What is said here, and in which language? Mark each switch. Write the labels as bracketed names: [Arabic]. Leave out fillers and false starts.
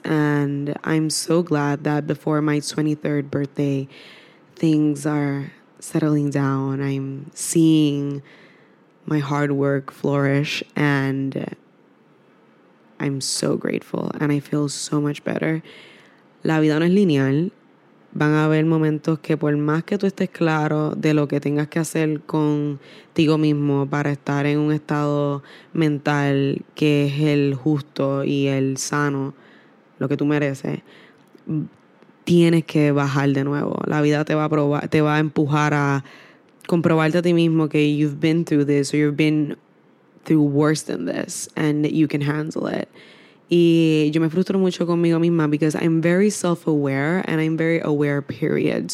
[English] And I'm so glad that before my 23rd birthday, things are settling down. I'm seeing my hard work flourish, and I'm so grateful, and I feel so much better. [Spanish] La vida no es lineal. Van a haber momentos que por más que tú estés claro de lo que tengas que hacer contigo mismo para estar en un estado mental que es el justo y el sano, lo que tú mereces, tienes que bajar de nuevo. La vida te va a empujar a comprobarte a ti mismo que [English] you've been through this, or you've been through worse than this, and you can handle it. [Spanish] Y yo me frustro mucho conmigo misma [English] because I'm very self-aware, and I'm very aware, period.